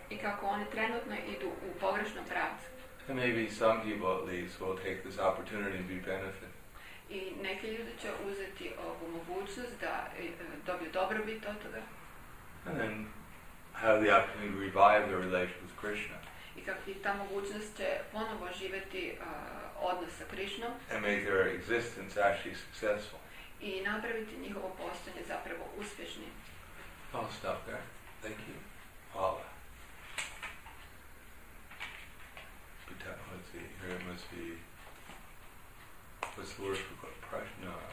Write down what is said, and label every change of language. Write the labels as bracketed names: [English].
[Croatian] I kako oni trenutno idu u pogrešnom pravcu. [English] And maybe some people at least will take this opportunity and be benefited. [Croatian] I neki ljudi će uzeti ovu mogućnost da dobiju dobrobit od toga. [English] And then have the opportunity to revive their relationship with Krishna. [Croatian] I kako i ta mogućnost će ponovo živjeti odnos sa Krishnom. [English] And make their existence actually successful. [Croatian] I napraviti njihovo postojanje zapravo uspješnim. [English] I'll stop there. Thank you. [Croatian] Hvala. [English] Here it must be, what's the word for Prashna?